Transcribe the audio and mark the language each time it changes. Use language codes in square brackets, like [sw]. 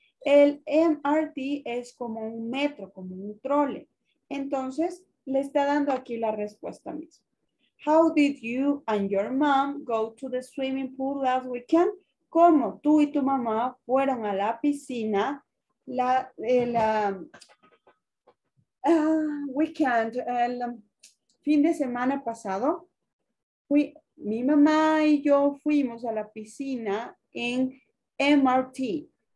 [es] El MRT es como un metro, como un trolley. Entonces, le está dando aquí la respuesta misma. [en] How did you and your mom go to the swimming pool last weekend? [es] ¿Cómo tú y tu mamá fueron a la piscina el fin de semana pasado? Mi mamá y yo fuimos a la piscina en MRT.